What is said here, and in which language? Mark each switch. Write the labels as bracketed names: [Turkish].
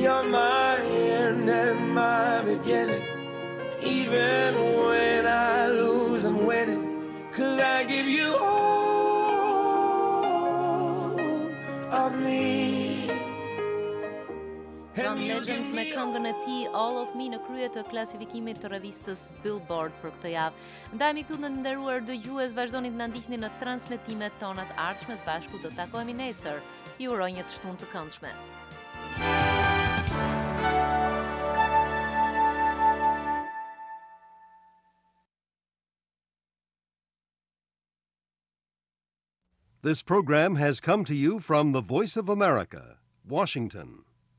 [English] You're my end and my beginning. Even when I lose, I'm winning. Cause I give you all of me. [Albanian] John Legend me këngën e tij All of Me në krye të klasifikimit të revistës Billboard për këtë javë. Ndajemi këtu në nderuar dëgjues, vazhdoni të na ndiqni në transmetimet tona të ardhshme. Së bashku do të takohemi nesër. Ju uroj një të shtunë të këndshme. [English] This program has come to you from the Voice of America, Washington.